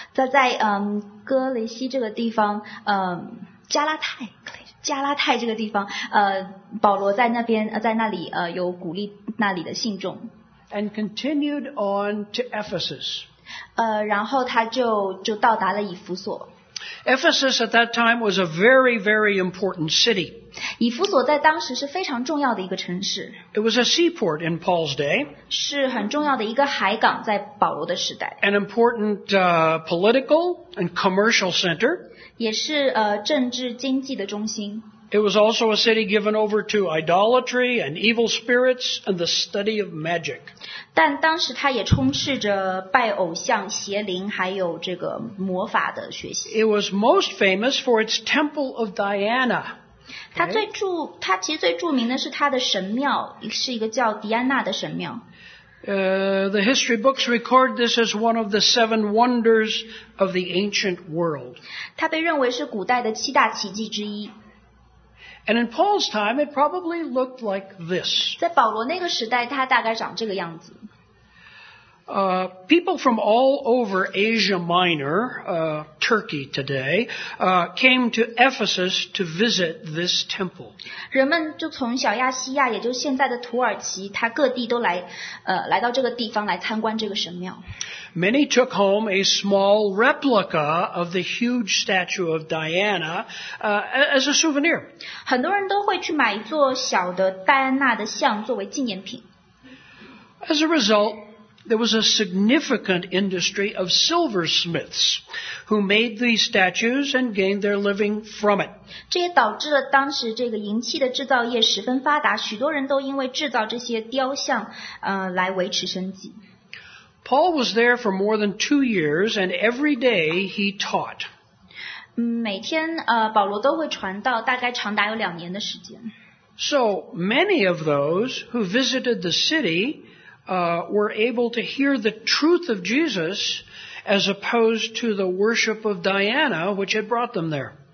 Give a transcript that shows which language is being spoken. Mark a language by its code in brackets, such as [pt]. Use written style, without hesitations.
[zh] 在哥雷西这个地方，加拉泰这个地方，保罗在那边，在那里，有鼓励那里的信众。 [en] And continued on to Ephesus. [zh] 然后他就到达了以弗所。 [en] Ephesus at that time was a very, very important city. [zh] 以弗所在当时是非常重要的一个城市。 [en] It was a seaport in Paul's day. [zh] 是很重要的一个海港在保罗的时代。 [en] An important political and commercial center. [zh] 也是政治经济的中心。 [en] It was also a city given over to idolatry and evil spirits and the study of magic. [zh] 但当时它也充斥着拜偶像、邪灵，还有这个魔法的学习。 [en] It was most famous for its temple of Diana. [zh] 它其实最著名的是它的神庙，是一个叫迪安娜的神庙。 [en] The history books record this as one of the seven wonders of the ancient world. [zh] 它被认为是古代的七大奇迹之一。 [en] And in Paul's time, it probably looked like this. [zh] 在保罗那个时代，它大概长这个样子。 [en] People from all over Asia Minor, Turkey today, came to Ephesus to visit this temple. [zh] 人们就从小亚细亚，也就现在的土耳其，它各地都来到这个地方来参观这个神庙。 [en] Many took home a small replica of the huge statue of Diana, as a souvenir. [zh] 很多人都会去买一座小的戴安娜的像作为纪念品。 [en] As a result,There was a significant industry of silversmiths who made these statues and gained their living from it. [zh] 这也导致了当时这个银器的制造业十分发达，许多人都因为制造这些雕像，来维持生计。 [en] Paul was there for more than 2 years, and every day he taught. [zh] 每天，保罗都会传道，大概长达有两年的时间。 [en] So many of those who visited the city. Were able to hear the truth of Jesus as opposed to the worship of Diana, which had brought them there.